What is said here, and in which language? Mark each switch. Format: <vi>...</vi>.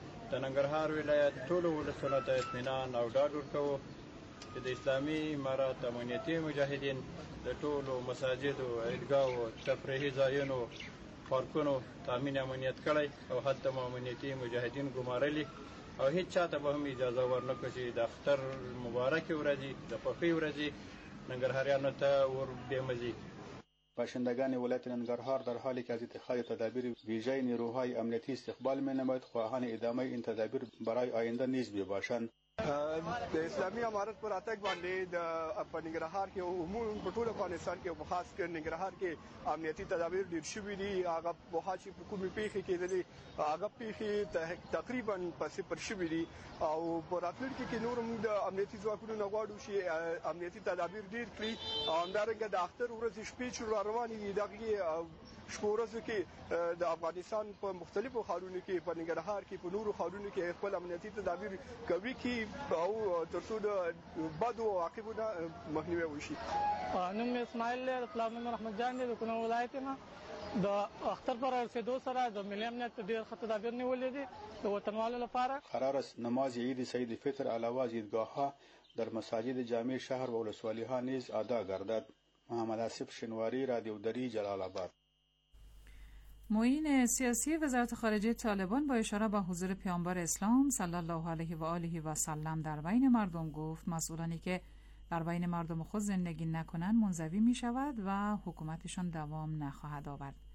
<ps>د ننګرهار ولایت ټول ولسونو ته اطمینان او ډاډ ورکوو چې د اسلامي امارات امنیتي مجاهدین د ټولو مساجدو، عیدګاهو، تفریحي ځایونو، پارکونو تامین امنیت کړی او حتی مو امنیتي مجاهدین ګمارلي او هیچ چاته به هم اجازه ورنکړو چې د اختر مبارکې ورځې، د پخې ورځې ننګرهاریانو ته ور بې مزي.</ps> <fa>پښندګان ولایت ننګرهار در حالی کې از اتخاذ تدابیر ویژه نیروهای امنیتي استقبال می نماید خواهان ادامه این تدابیر برای آینده نیز بی باشند.</fa> <ps>د اسلامي امارت پر اتک باندې د ننګرهار کې عموما په ټول افغانستان کې خاص کر ننګرهار کې امنیتی تدابیر ډیر شوي دي. هغه په حاجی په کومې پیښې کېدلې، هغه پیښې تقریبا پسې پر شوي دي او په راتلونکي کې نور د امنیتي ځواکونو نه غواړو چې امنیتي تدابیر ډیر کړي او همدارنګه د اختر ورځې شپې چې روانې دي دغې شپو ورځو کې د افغانستان په مختلفو ښارونو کې، په ننګرهار کې، په نورو ښارونو کې خپل امنیتي تدابیر کوي کې او تر څو د بدو عاقبونه مخنیوی وشي. نوم مې اسماعیل دی، اسلام نوم احمد جان دی، د کونړ ولایت نه. د اختر پر رسېدو سره د ملي امنیت ډېر ښه تدابیر نیولې دي د وطنوالو لپاره.</ps> <fa>قرار نماز عید سید فطر علاوه عیدګاه در مساجد جامع شهر و ولسوالۍ ها نیز ادا گردد. محمد آصف شنواری، رادیو دری، جلال آباد. معین سیاسی وزارت خارجه طالبان با اشاره به حضور پیامبر اسلام صلی الله علیه و آله و سلم در بین مردم گفت مسئولانی که در بین مردم خود زندگی نکنند منزوی می شود و حکومتشان دوام نخواهد آورد.</fa>